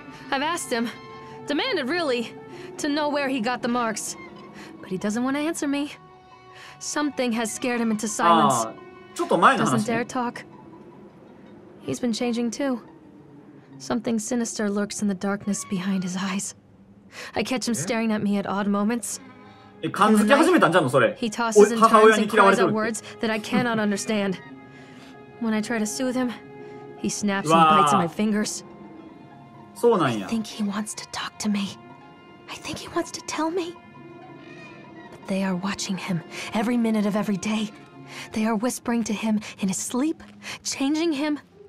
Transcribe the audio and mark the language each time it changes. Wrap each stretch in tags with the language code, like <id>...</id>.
<en>I've asked him, demanded really, to know where he got the marks. But he doesn't want to answer me. Something has scared him into silence.</en> <ja>ちょっと前の話。</ja> <en>Doesn't dare talk. He's been changing too. Something sinister lurks in the darkness behind his eyes. I catch him staring at me at odd moments.</en> <ja>え、感づき始めたんじゃんのそれ。お、母親に嫌われとるって。</ja> <en>words that I cannot understand. When I try to soothe him, he snaps and bites my fingers.</en> <ja>そうなんや。</ja> <en>I think he wants to talk to me. I think he wants to tell me. But they are watching him every minute of every day. They are whispering to him in his sleep, changing him.</en>